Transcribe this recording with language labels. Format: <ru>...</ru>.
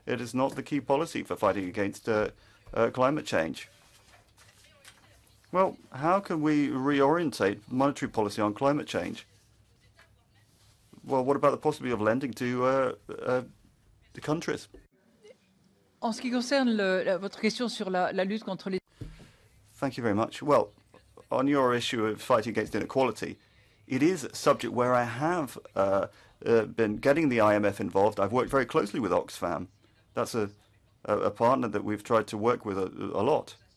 <en>It is not the key policy for fighting against climate change. Well, how can we reorientate monetary policy on climate change? Well, what about the possibility of lending to the countries.</en> <fr>En ce qui concerne votre question sur la lutte contre les...</fr> <en>Thank you very much. Well, on your issue of fighting against inequality, it is a subject where I have been getting the IMF involved. I've worked very closely with Oxfam. That's a partner that we've tried to work with a lot.</en>